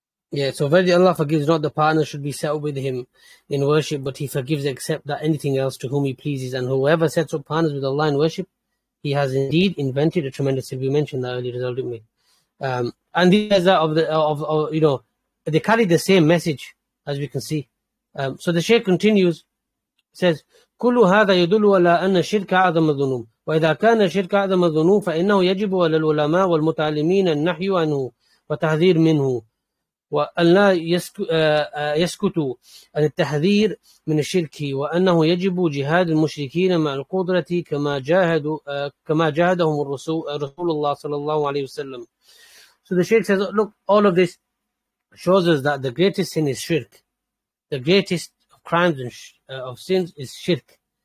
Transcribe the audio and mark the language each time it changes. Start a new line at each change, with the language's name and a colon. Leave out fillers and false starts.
English: Yeah, so verily Allah forgives not the partner should be set up with him in worship, but he forgives except that anything else to whom he pleases. And whoever sets up partners with Allah in worship, he has indeed invented a tremendous sin. We mentioned that earlier, didn't we? And these are of you know, they carry the same message, as we can see. So the Shaykh continues, says,
Arabic: كُلُّ هَذَا يَدُلُّ عَلَىٰ أَنَّ الشِّرْكَ أَعْظَمَ الذُّنُوبِ وَإِذَا كَانَ الشِّرْكَ أَعْظَمَ الذُّنُوبِ فَإِنَّهُ يَجِبُ عَلَىٰ الْعُلَمَاءِ وَالْمُتَعَلِّمِينَ النَّحْيُ عَنْهُ وَتَحْذِيرُ مِنْهُ وَأَلَّا يَسْكُتُوا عَنِ التَّحْذِيرِ مِنَ الشِّرْكِ وَأَنَّهُ يَجِبُ جِهَادُ الْمُشْرِكِينَ مَعَ الْقُدْرَةِ كَمَا جَاهَدَهُمُ رَسُولُ اللَّهِ صَلَّى اللَّهُ عَلَيْهِ وَسَلَّمَ
English: So the Shaykh says, look, all of this shows us that the greatest sin is shirk. The greatest of crimes and of sins is shirk.